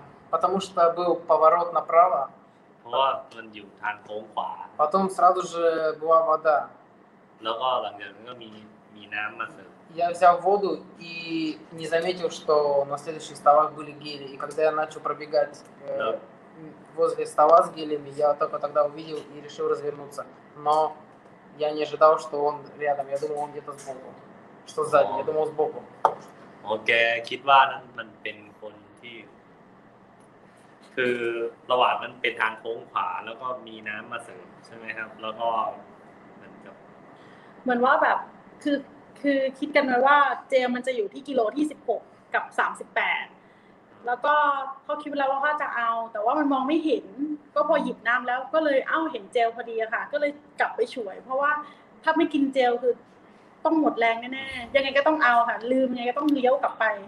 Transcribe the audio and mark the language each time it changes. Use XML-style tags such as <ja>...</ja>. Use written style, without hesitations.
<ru>потому что был поворот направо</ru> <th>เพราะว่ามันอยู่ทางโค้งขวา</th> <ru>потом сразу же была вода</ru> <th>แล้วก็หลังจากนั้นก็มีน้ำมาเสริม</th> <ru>я взял воду и не заметил что на следующих столах были гели и когда я начал пробегать возле стола с гелями я только тогда увидел и решил развернуться но я не ожидал что он рядом я думал он где-то сбоку что сзади я думал сбоку</ru> <th>โอเคคิดว่านั้นมันเป็นคนที่คือระหว่างนั้นเป็นทางโค้งขวาแล้วก็มีน้ํามาเสริมใช่มั้ยครับแล้วก็ เหมือนว่าแบบคือคิดกันว่าเจมันจะอยู่ที่กิโลที่16กับ38แล้วก็เขาคิดแล้วว่าเขาจะเอาแต่ว่ามันมองไม่เห็นก็พอหยิบน้ำแล้วก็เลยเอ้าเห็นเจลพอดีอะค่ะก็เลยกลับไปช่วยเพราะว่าถ้าไม่กินเจลคือต้องหมดแรงแน่ๆยังไงก็ต้องเอาค่ะลืมยังไงก็ต้องเลี้ยวกลับไป</th>